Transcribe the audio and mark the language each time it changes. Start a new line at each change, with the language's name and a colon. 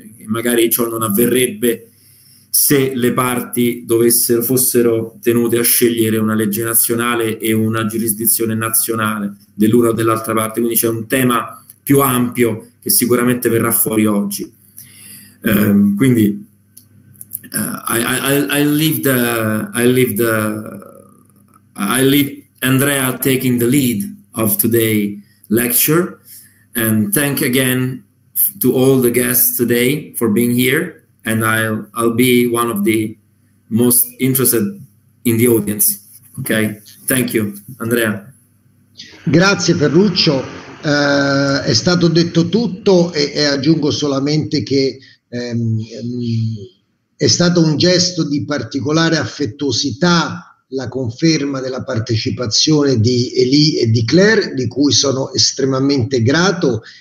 Italian: Magari ciò non avverrebbe se le parti fossero tenute a scegliere una legge nazionale e una giurisdizione nazionale dell'una o dell'altra parte. Quindi c'è un tema più ampio che sicuramente verrà fuori oggi.
English: Quindi I leave Andrea taking the lead of today's lecture, and thank again to all the guests today for being here, and I'll be one of the most interested in the audience. Okay, thank you, Andrea.
Italian: Grazie Ferruccio, è stato detto tutto e aggiungo solamente che è stato un gesto di particolare affettuosità la conferma della partecipazione di Elie e di Claire, di cui sono estremamente grato,